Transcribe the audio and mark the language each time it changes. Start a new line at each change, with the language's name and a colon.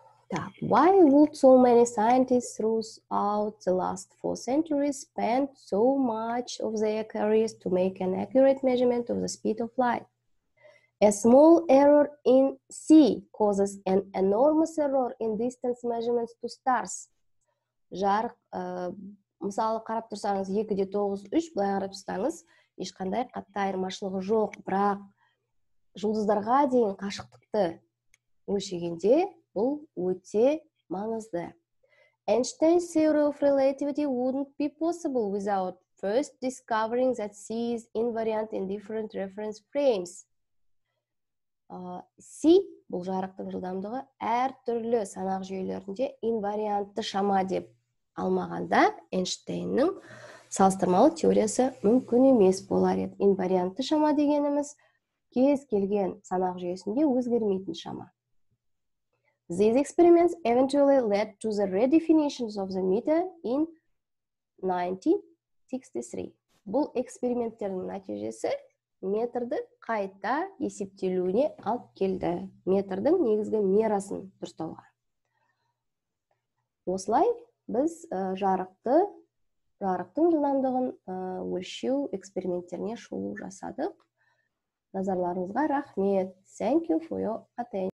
English: Так, why would so many scientists throughout the last four centuries spend so much of their careers to make an accurate measurement of the speed of light? A small error in C causes an enormous error in distance measurements to stars.
Kazakh: Жарық, мысалы қарап тұрсаңыз, 2-де 9, 3 бұлай қарап тұрсаңыз, ешқандай қатты айырмашылығы жоқ, бірақ жұлдыздарға дейін қашықтықты өлшегенде, бұл өте маңызды.
English: Einstein's theory of relativity wouldn't be possible without first discovering that C is invariant in different reference frames.
Kazakh: C, бұл жарықтың жылдамдығы, әр түрлі санақ жүйелерінде инвариантты шама деп алмағанда, Эйнштейннің салыстырмалы теориясы мүмкін емес болар еді. Инвариантты шама дегеніміз кез келген санақ жүйесінде өзгермейтін шама.
English: These experiments eventually led to the redefinitions of the meter in 1963.
Kazakh: Бұл эксперименттердің нәтижесі метрді қайта есептелуіне алып келді. Метрдің негізгі мерасын дұрыстауға. Осылай біз жарықтың жылдамдығын өлшеу эксперименттеріне шолу жасадық. Назарларыңызға рахмет.
English: Thank you for your attention.